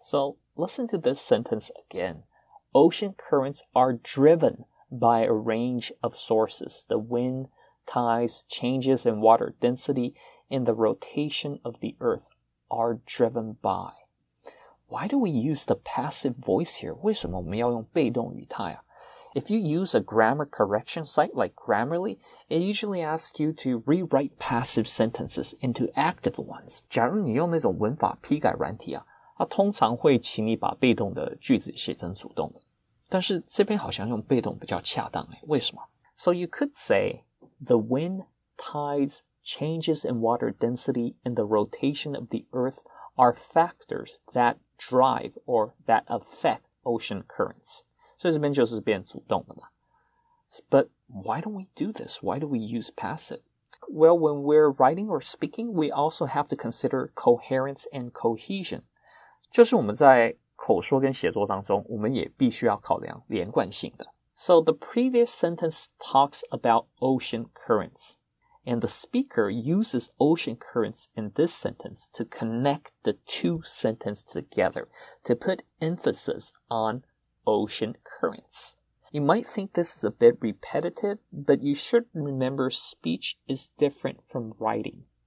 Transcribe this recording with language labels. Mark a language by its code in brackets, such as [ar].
[en] So, listen to this sentence again. Ocean currents are driven by a range of sources. The wind, tides, changes in water density, and the rotation of the earth are driven by. Why do we use the passive voice here? [zh] 为什么我们要用被动语态啊？ [en] If you use a grammar correction site like Grammarly, it usually asks you to rewrite passive sentences into active ones. [zh] 假如你用那种文法批改软体啊，它通常会请你把被动的句子写成主动的。但是这边好像用被动比较恰当诶，为什么？ [en] So you could say, the wind, tides, changes in water density, and the rotation of the earth are factors that drive or that affect ocean currents. [zh] 所以这边就是变主动的嘛。 [en] But why don't we do this? Why do we use passive? Well, when we're writing or speaking, we also have to consider coherence and cohesion. [zh] 就是我们在口说跟写作当中，我们也必须要考量连贯性的。 [en] So the previous sentence talks about ocean currents, and the speaker uses ocean currents in this sentence to connect the two sentences together, to put emphasis onOcean currents. You might think this is a bit repetitive, but you should remember speech is different from writing.